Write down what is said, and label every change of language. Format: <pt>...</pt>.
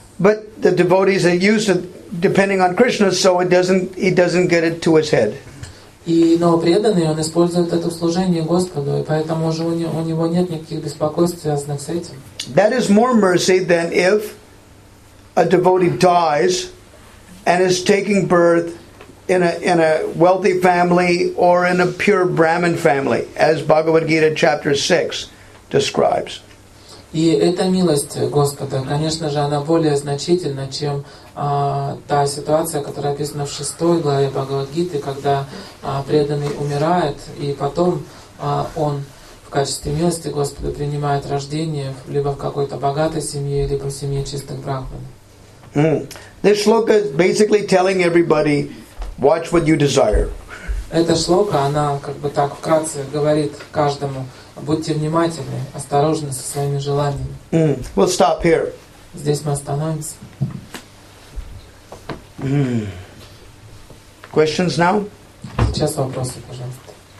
<en>But the devotees are used to depending on Krishna, so he doesn't get it to his head.</en> <ru>И, но преданный, он использует это в служении Господу, и поэтому уже у него нет никаких беспокойств, связанных с этим.</ru> <en>That is more mercy than if a devotee dies and is taking birth in a wealthy family or in a pure Brahmin family, as Bhagavad Gita chapter 6 describes.</en> <ru>И эта милость Господа, конечно же, она более значительна, чем та ситуация, которая описана в 6 главе Бхагавад-гиты, когда преданный умирает, и потом он в качестве милости Господа принимает рождение либо в какой-то богатой семье, либо в семье чистых брахман.</ru> <en>This shloka is basically telling everybody, watch what you desire.</en> <ru>Эта шлока, она как бы так вкратце говорит каждому, будьте внимательны, осторожны со своими желаниями.</ru> <en>We'll stop here.</en> <ru>Здесь мы остановимся.</ru> <en>Questions now?</en> <ru>Сейчас вопросы, пожалуйста.</ru>